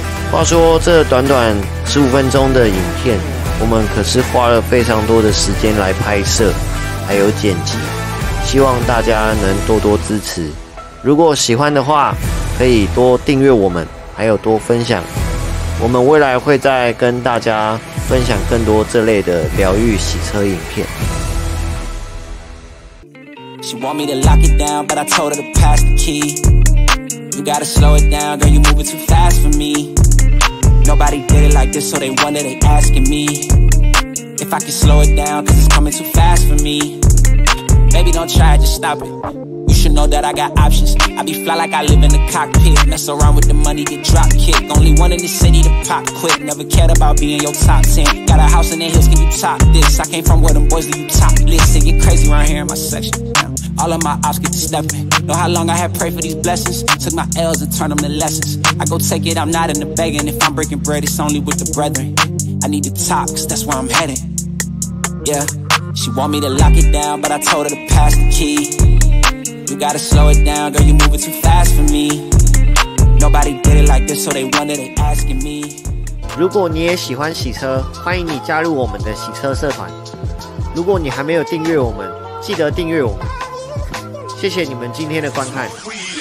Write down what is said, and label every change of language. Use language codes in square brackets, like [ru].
[zh] 话说这短短15分钟的影片，我们可是花了非常多的时间来拍摄还有剪辑，希望大家能多多支持，如果喜欢的话可以多订阅我们，还有多分享，我们未来会再跟大家分享更多这类的疗愈洗车影片。 [en] She want me to lock it down, but I told her to pass the key. You gotta slow it down, girl, you moving too fast for me. Nobody did it like this, so they wonder, they asking me if I can slow it down, cause it's coming too fast for me. Baby, don't try, just stop it. You should know that I got options. I be fly like I live in the cockpit. Mess around with the money, get drop kick. Only one in the city to pop quick. Never cared about being your top 10. Got a house in the hills, can you top this? I came from where them boys leave you topless. It get crazy around here in my section. All of my ops get to stepping. Know how long I had prayed for these blessings. Took my L's and turned them to lessons. I go take it, I'm not in the begging. If I'm breaking bread, it's only with the brethren. I need the top, cause that's where I'm heading. Yeah, she want me to lock it down, but I told her to pass the key. You gotta slow it down, girl, you moving too fast for me. Nobody did it like this, so they wonder, they asking me. [zh] 如果你也喜欢洗车，欢迎你加入我们的洗车社团。如果你还没有订阅我们，记得订阅我们。谢谢你们今天的观看。